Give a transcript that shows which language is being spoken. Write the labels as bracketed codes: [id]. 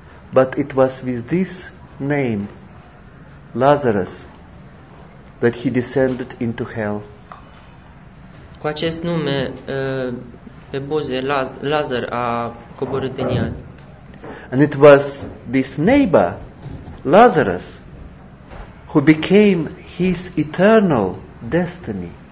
[en] But it was with this name, Lazarus, that he descended into hell. [ro] Cu acest nume pe buze, Lazar a coborât în iad. [en] And it was this neighbor, Lazarus, who became his eternal destiny.